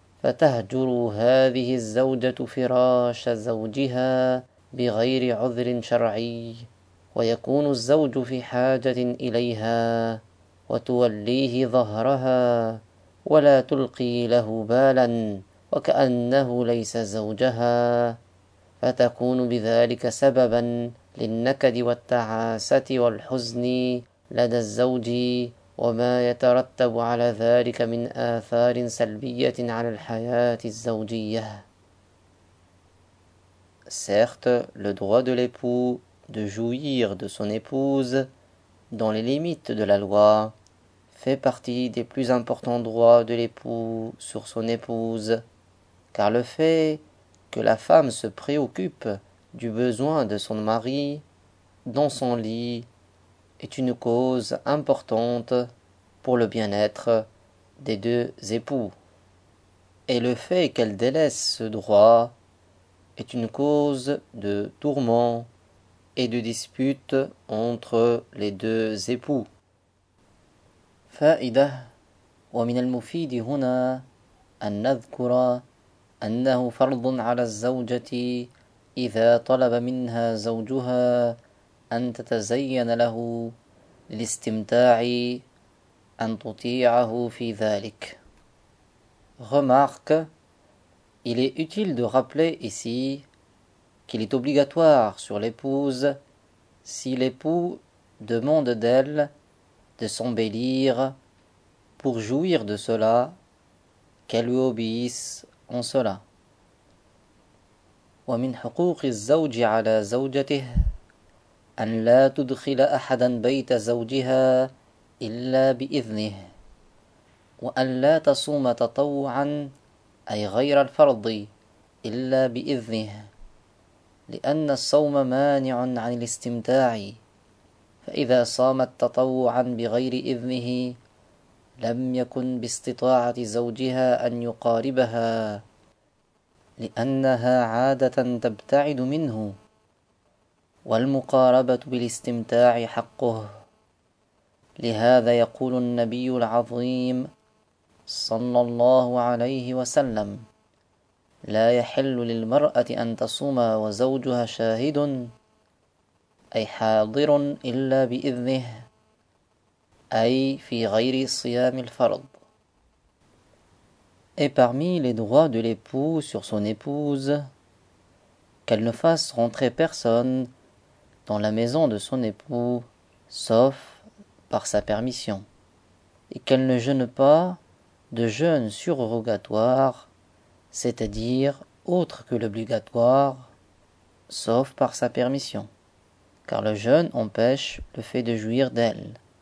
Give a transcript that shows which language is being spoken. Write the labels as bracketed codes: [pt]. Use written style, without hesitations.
[ar] فتهجر هذه الزوجة فراش زوجها بغير عذر شرعي، ويكون الزوج في حاجة إليها، وتوليه ظهرها، ولا تلقي له بالا، وكأنه ليس زوجها، فتكون بذلك سببا للنكد والتعاسة والحزن لدى الزوج. وما يترتب على ذلك من آثار سلبية على الحياة الزوجية. [fr] Certes, le droit de l'époux de jouir de son épouse, dans les limites de la loi, fait partie des plus importants droits de l'époux sur son épouse, car le fait que la femme se préoccupe du besoin de son mari dans son lit est une cause importante pour le bien-être des deux époux. Et le fait qu'elle délaisse ce droit est une cause de tourment et de dispute entre les deux époux. [ar] فائدة ومن المفيد هنا أن نذكر أنه فرض على الزوجة إذا طلب منها زوجها أن تتزين له للاستمتاع أن تطيعه في ذلك. [fr] Remarque, il est utile de rappeler ici qu'il est obligatoire sur l'épouse, si l'époux demande d'elle de s'embellir pour jouir de cela, qu'elle lui obéisse en cela. [ar] ومن حقوق الزوج على زوجته أن لا تدخل أحدا بيت زوجها إلا بإذنه، وأن لا تصوم تطوعا أي غير الفرض إلا بإذنه، لأن الصوم مانع عن الاستمتاع، فإذا صامت تطوعا بغير إذنه لم يكن باستطاعة زوجها أن يقاربها، لأنها عادة تبتعد منه. والمقاربة بالاستمتاع حقه، لهذا يقول النبي العظيم صلى الله عليه وسلم، لا يحل للمرأة أن تصوم وزوجها شاهد أي حاضر إلا بإذنه، أي في غير صيام الفرض. [fr] Et parmi les droits de l'époux sur son épouse, qu'elle ne fasse rentrer personne dans la maison de son époux, sauf par sa permission, et qu'elle ne jeûne pas de jeûne surrogatoire, c'est-à-dire autre que l'obligatoire, sauf par sa permission, car le jeûne empêche le fait de jouir d'elle.